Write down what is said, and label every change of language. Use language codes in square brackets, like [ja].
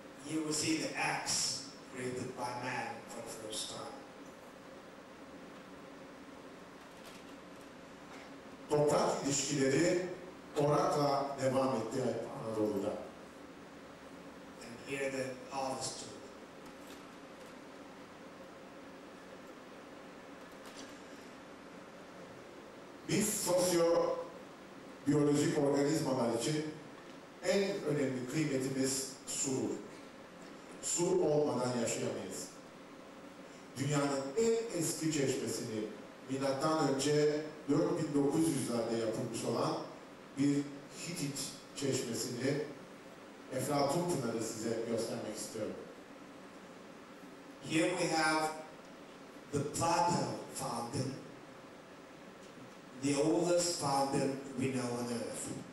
[en] You will see the axe created by man for the first time. [tr] Toprak ilişkileri orakla devam etti Anadolu'da. [en] And here the artist took. [tr] Biz sosyo-biyolojik organizmalar için en önemli kıymetimiz su. Su olmadan yaşayamayız. Dünyanın en eski çeşmesini M.Ö. 4900'lerde yapılmış olan bir Hitit çeşmesini Eflatun Pınarı size göstermek istiyorum. [en] Here we have the Plato fountain, the oldest fountain we know on earth.